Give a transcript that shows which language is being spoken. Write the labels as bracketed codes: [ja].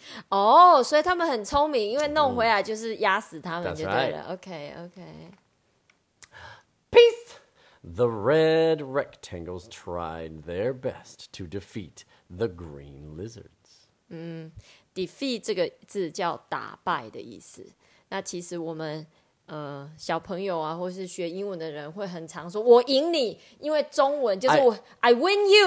[zh] Oh, 所以他们很聪明, 因为弄回来就是压死他们就对了。 [en] Okay, okay. Peace! The red rectangles tried their best to defeat the green lizards. [zh] Defeat 这个字叫打败的意思。那其实我们小朋友啊，或是学英文的人会很常说"我赢你"，因为中文就是我 [en] I win you,